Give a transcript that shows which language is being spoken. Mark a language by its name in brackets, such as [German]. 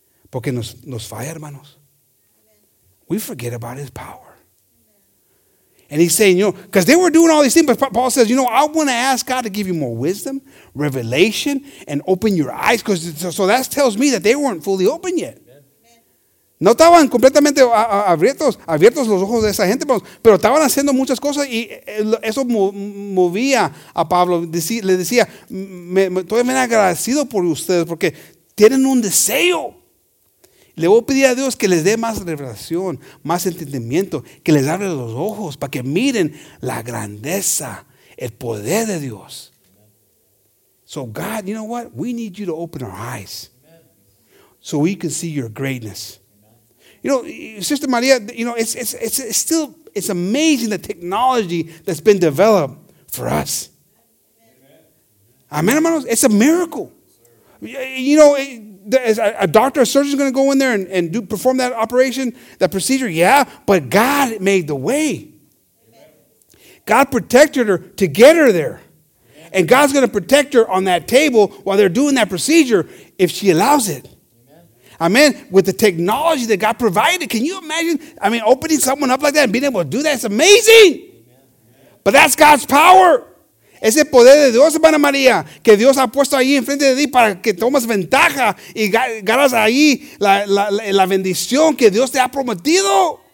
[English] Porque nos falla, hermanos. We forget about his power. And he's saying, you know, because they were doing all these things, but Paul says, you know, I want to ask God to give you more wisdom, revelation, and open your eyes. So that tells me that they weren't fully open yet. [Spanish] No estaban completamente abiertos los ojos de esa gente, pero estaban haciendo muchas cosas y eso movía a Pablo. Le decía, estoy muy agradecido por ustedes porque tienen un deseo. Le voy a pedir a Dios que les dé más revelación, más entendimiento, que les abra los ojos para que miren la grandeza, el poder de Dios. [English] So God, you know what? We need you to open our eyes so we can see your greatness. You know, Sister Maria, you know, it's still amazing the technology that's been developed for us. Amen, hermanos? It's a miracle. You know, is a doctor, a surgeon going to go in there and do perform that operation, that procedure? Yeah, but God made the way. Amen. God protected her to get her there. Amen. And God's going to protect her on that table while they're doing that procedure if she allows it. Amen. Amen. With the technology that God provided, can you imagine? I mean, opening someone up like that and being able to do that is amazing. Amen. But that's God's power. [Spanish] Ese poder de Dios, hermana María, que Dios ha puesto ahí enfrente de ti para que tomes ventaja y ganas ahí la bendición que Dios te ha prometido.